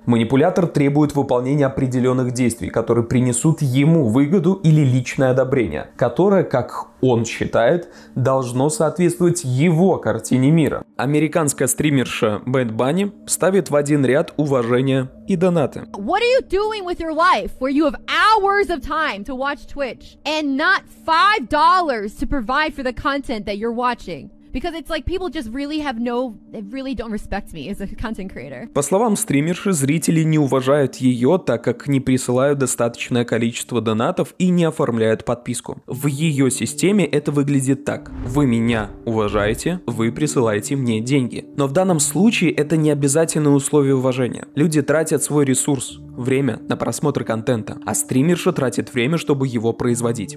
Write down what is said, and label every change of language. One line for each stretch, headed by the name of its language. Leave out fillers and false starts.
Russian: Манипулятор требует выполнения определенных действий, которые принесут ему выгоду или личное одобрение, которое, как он считает, должно соответствовать его картине мира. Американская стримерша Bad Bunny ставит в один ряд уважение и донаты.
English: What are you doing with your life where you have hours of time to watch Twitch and not $5 to provide for the content that you're watching? Because it's like people just really have no, they really don't respect me as a content creator.
Russian: По словам стримерши, зрители не уважают ее, так как не присылают достаточное количество донатов и не оформляют подписку. В ее системе это выглядит так. Вы меня уважаете, вы присылаете мне деньги. Но в данном случае это не обязательное условие уважения. Люди тратят свой ресурс, время на просмотр контента, а стримерша тратит время, чтобы его производить.